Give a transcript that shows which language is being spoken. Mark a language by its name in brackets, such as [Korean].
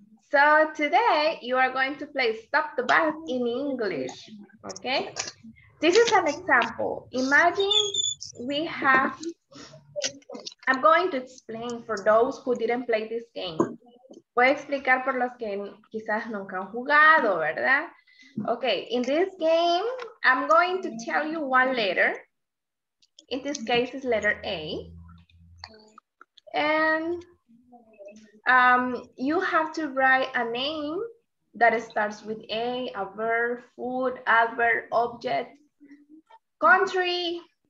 [English] So today you are going to play stop the bus in English, okay? This is an example. Imagine we have, I'm going to explain for those who didn't play this game. [Spanish] Voy a explicar por los que quizás nunca han jugado, ¿verdad? [English] Okay, in this game, I'm going to tell you one letter. In this case, it's letter A. And you have to write a name that starts with A, a verb, food, adverb, object, country.